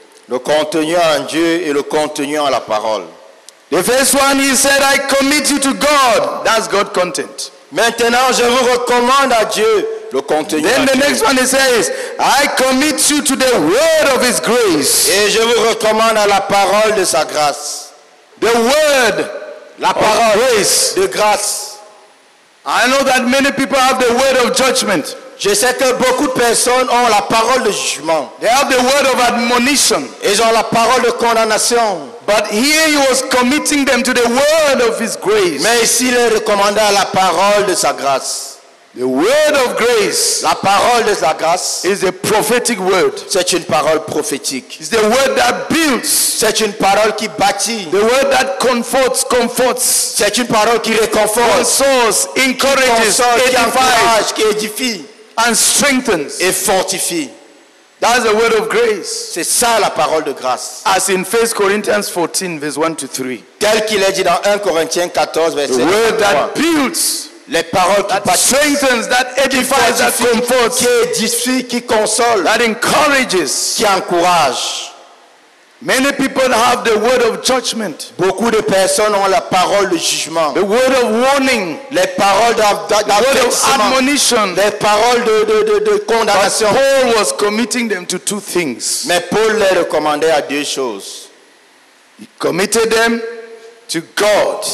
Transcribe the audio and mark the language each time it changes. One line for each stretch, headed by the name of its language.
French: Le contenu en Dieu et le contenu en la parole.
English: The first one, he said, I commit you to God. That's God content.
French: Maintenant, je vous recommande à Dieu. Le contenu.
English: Then the next one, he says, I commit you to the word of his grace.
French: Et je vous recommande à la parole de sa grâce.
English: The word.
French: La parole.
English: Of grace.
French: De grâce.
English: I know that many people have the word of judgment.
French: Je sais que beaucoup de personnes ont la parole de jugement.
English: They have the word of admonition.
French: Ils ont la parole de condamnation.
English: But here he was committing them to the word of his grace.
French: Mais ici, il est recommandé à la parole de sa grâce.
English: The word of grace.
French: La parole de sa grâce.
English: Is a prophetic word.
French: C'est une parole prophétique.
English: It's the word that builds.
French: C'est une parole qui bâtit.
English: The word that comforts.
French: C'est une parole qui réconforte.
English: Consoles, encourages, edifies,
French: qui édifie,
English: and strengthens,
French: et fortifie.
English: That's the word of grace.
French: C'est ça la parole de grâce.
English: As in 1 Corinthians 14, verse 1 to 3.
French: Tel qu'il est dit dans 1 Corinthiens 14, verset 1.
English: The word that builds.
French: Les paroles qui
English: that strengthens, that edifies, that comforts,
French: qui édifie, qui console,
English: that encourages,
French: qui encourage.
English: Many people have the word of judgment.
French: Beaucoup de personnes ont la parole de jugement.
English: The word of warning.
French: Les paroles d'admonition. Les paroles de condamnation.
English: But Paul was committing them to two things.
French: Mais Paul les recommandait à deux choses.
English: He committed them to God.